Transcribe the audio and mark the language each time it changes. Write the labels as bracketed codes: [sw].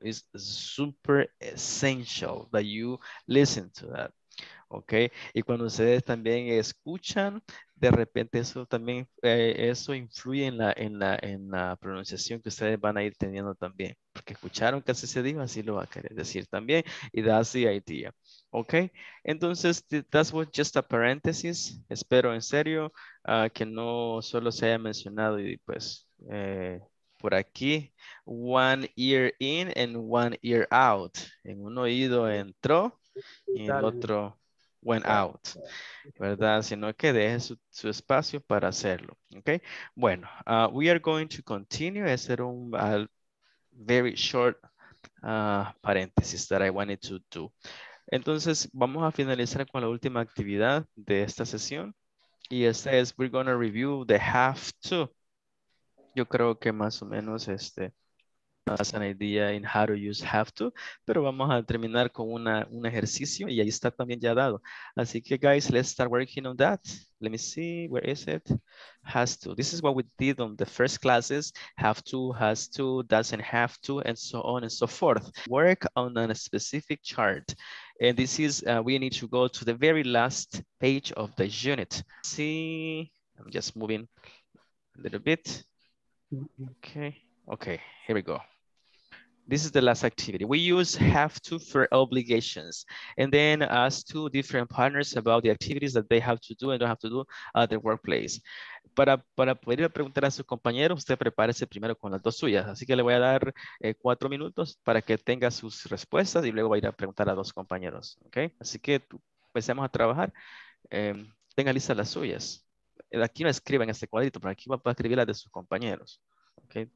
[en] It's super essential that you listen to that. Okay. [es] Y cuando ustedes también escuchan, de repente eso también, eso influye en la pronunciación que ustedes van a ir teniendo también. Porque escucharon casi se dijo, así lo va a querer decir también. [en] Y that's the idea. Okay, entonces, that's what, just a parenthesis. [es] Espero en serio que no solo se haya mencionado y pues por aquí, [en] one ear in and one ear out. [es] En un oído entró y en el otro [en] went out, [es] ¿verdad? Sino que deje su espacio para hacerlo, okay? Bueno, [en] we are going to continue. [es] Ese era un [en] very short parenthesis that I wanted to do. [es] Entonces, vamos a finalizar con la última actividad de esta sesión. Y esta es, [en] we're going to review the have to. [es] Yo creo que más o menos [en] has an idea in how to use have to. [es] Pero vamos a terminar con un ejercicio y ahí está también ya dado. Así que, [en] guys, let's start working on that. Let me see, where is it? Has to. This is what we did on the first classes. Have to, has to, doesn't have to, and so on and so forth. Work on a specific chart. And this is, we need to go to the very last page of the unit. See, I'm just moving a little bit. Okay, here we go. This is the last activity. We use have to for obligations and then ask two different partners about the activities that they have to do and don't have to do at their workplace. [es] Para poder preguntar a su compañero, usted prepárese primero con las dos suyas. Así que le voy a dar 4 minutos para que tenga sus respuestas y luego va a ir a preguntar a 2 compañeros. Okay? Así que empecemos a trabajar. Tenga listas las suyas. Aquí no escriba en este cuadrito, pero aquí va a escribir las de sus compañeros. Okay?